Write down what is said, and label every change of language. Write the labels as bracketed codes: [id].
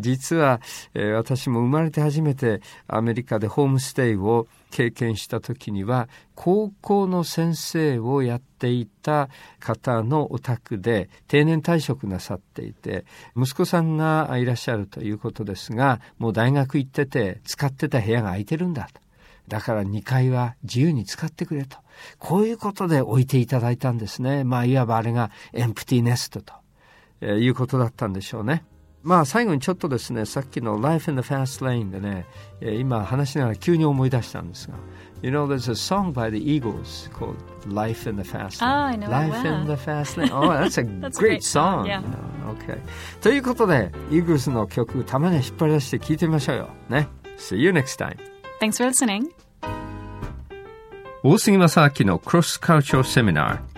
[ja] 実は、私も生まれて初めてアメリカでホームステイを経験した時には、高校の先生をやっていた方のお宅で定年退職なさっていて、息子さんがいらっしゃるということですが、もう大学行ってて使ってた部屋が空いてるんだと、だから2階は自由に使ってくれと、こういうことで置いていただいたんですね。まあいわばあれがエンプティネストということだったんでしょうね。まあ最後にちょっとですね、さっきの Life in the Fast Lane でね、今話しながら急に思い出したんですが、 [en] You know there's a song by the Eagles called Life in the Fast Lane. Oh, I know. Life well. in the Fast Lane. Oh, that's a that's great song. Yeah. You know? Okay. [ja] ということで Eagles の曲たまに引っ張り出して聞いてみましょうよ、ね、 [en] See you next time. Thanks for listening. [ja] 大杉正明の Cross Cultural Seminar